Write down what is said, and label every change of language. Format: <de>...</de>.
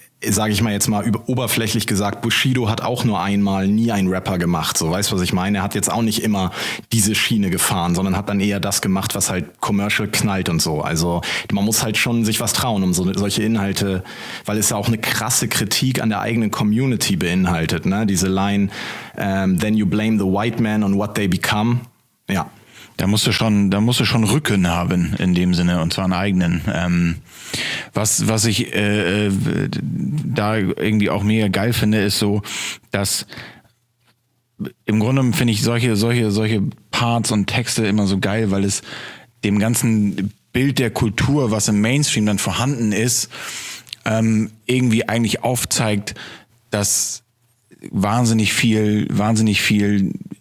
<de>Sage ich mal jetzt mal oberflächlich gesagt, Bushido hat auch nur einmal nie einen Rapper gemacht. So, weißt du, was ich meine? Er hat jetzt auch nicht immer diese Schiene gefahren, sondern hat dann eher das gemacht, was halt commercial knallt und so. Also man muss halt schon sich was trauen, um solche Inhalte, weil es ja auch eine krasse Kritik an der eigenen Community beinhaltet, ne? Diese Line,</de> <en>then you blame the white man on what they become.</en> <de>Ja. Da musst du schon Rücken haben in dem Sinne, und zwar einen eigenen. Was ich da irgendwie auch mega geil finde, ist so, dass im Grunde finde ich solche Parts und Texte immer so geil, weil es dem ganzen Bild der Kultur, was im Mainstream dann vorhanden ist, irgendwie eigentlich aufzeigt, dass wahnsinnig viel</de>